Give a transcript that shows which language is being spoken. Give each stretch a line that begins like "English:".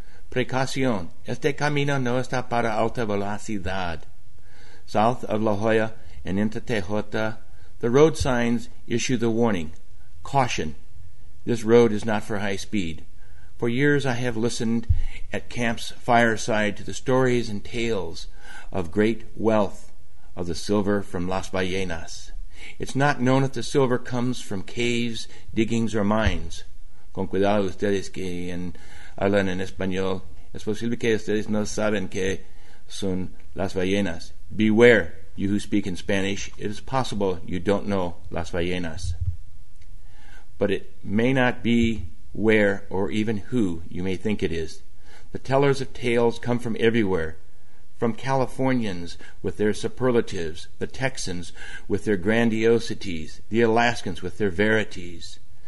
Spanish: Precaución, este camino no está para alta velocidad.
English: South of La Jolla and into Tejota, the road signs issue the warning. Caution, this road is not for high speed. For years I have listened at camp's fireside to the stories and tales of great wealth of the silver from Las Ballenas. It's not known if the silver comes from caves, diggings, or mines.
Spanish: Con cuidado ustedes que hablan en español. Es posible que ustedes no saben que son las ballenas.
English: Beware, you who speak in Spanish. It is possible you don't know las ballenas. But it may not be where or even who you may think it is. The tellers of tales come from everywhere. From Californians with their superlatives, the Texans with their grandiosities, the Alaskans with their verities.